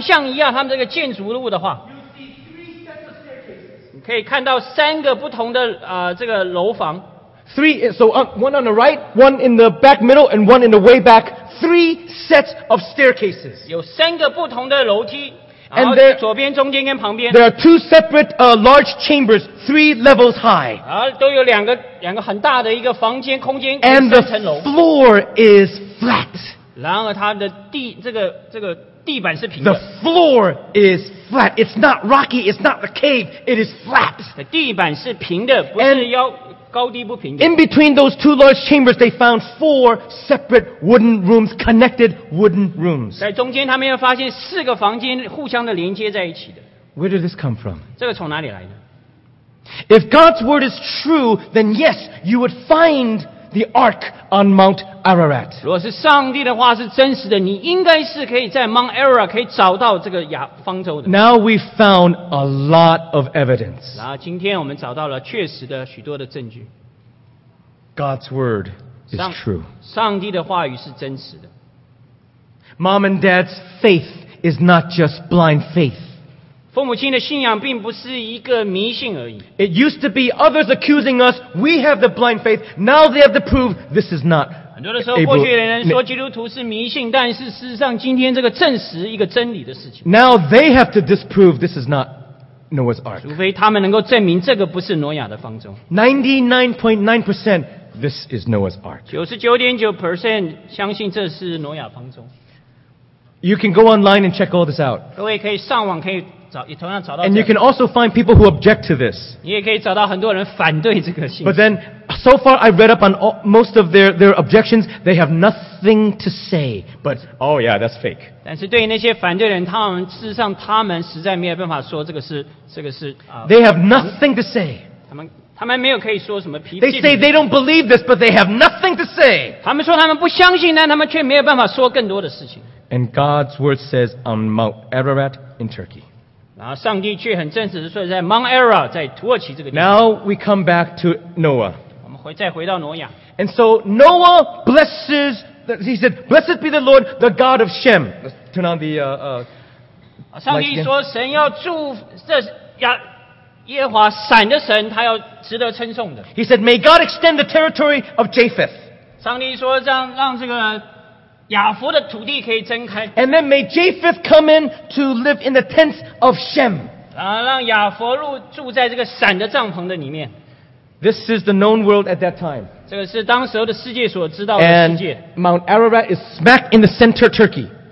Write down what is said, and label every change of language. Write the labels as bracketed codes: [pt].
[zh] 若是把他们的所找到的地方想象一下他们这个建筑物的话, 可以看到三个不同的楼房。 [en] One on the right, one in the back middle, and one in the way back. 3 sets of staircases. [zh] 有三个不同的楼梯，然后左边、中间跟旁边。 [en] There are 2 separate large chambers, 3 levels high. [zh] 然后都有两个很大的一个房间，空间。 [en] And the floor is flat. [zh] 然后它的地这个这个。地板是平的。 [en] The floor is flat. It's not rocky. It's not a cave. It is flat. [zh] 地板是平的，不是腰。 [en] In between those two large chambers, they found four separate wooden rooms, connected wooden rooms. [zh] 在中间，他们又发现四个房间互相的连接在一起的。 [en] Where did this come from? [zh] 这个从哪里来的？ [en] If God's word is true, then yes, you would find the ark on Mount Ararat. [zh] 如果是上帝的话是真实的，你应该是可以在 Mount Ararat 可以找到这个方舟的。 [en] Now we found a lot of evidence. [zh] 然后今天我们找到了确实的许多的证据。 [en] God's word is true. [zh] 上帝的话语是真实的。 [en] Mom and Dad's faith is not just blind faith. [zh] 父母亲的信仰并不是一个迷信而已。 [en] It used to be others accusing us, we have the blind faith, now they have to prove this is not true. [zh] 很多的时候过去的人说基督徒是迷信但是事实上今天这个证实一个真理的事情 [en] Now they have to disprove this is not Noah's Ark [zh] 除非他们能够证明这个不是挪亚的方舟 [en] 99.9% this is Noah's Ark [zh] 99.9% 相信这是挪亚方舟 [en] You can go online and check all this out [zh] 各位可以上网可以 [en] And you can also find people who object to this. But then, so far I've read up on all, most of their objections, they have nothing to say. But, oh yeah, that's fake. [zh] 但是对于那些反对人，他们事实上他们实在没有办法说这个是。 [en] They have nothing to say. [zh] 他们没有可以说什么批评。 [en] They say they don't believe this, but they have nothing to say. [zh] 他们说他们不相信，但他们却没有办法说更多的事情。 [en] And God's word says on Mount Ararat in Turkey. [zh] 然后上帝却很正式的说在 Mount Ararat 在土耳其这个地方 [en] Now we come back to Noah [zh] 我们再回到挪亚 [en] And so Noah blesses He said Blessed be the Lord the God of Shem Let's turn on the [zh] 上帝说神要祝这耶和华闪的神他要值得称颂的 [en] He said May God extend the territory of Japheth [zh] 上帝说让这个亚弗的土地可以睁开 [en] And then may Japheth come in to live in the tents of Shem. [zh] 让亚弗入住在这个闪的帐篷的里面 [en] This is the known world at that time. [zh] 这个是当时候的世界所知道的世界 [en] And Mount Ararat is smack in the center of Turkey.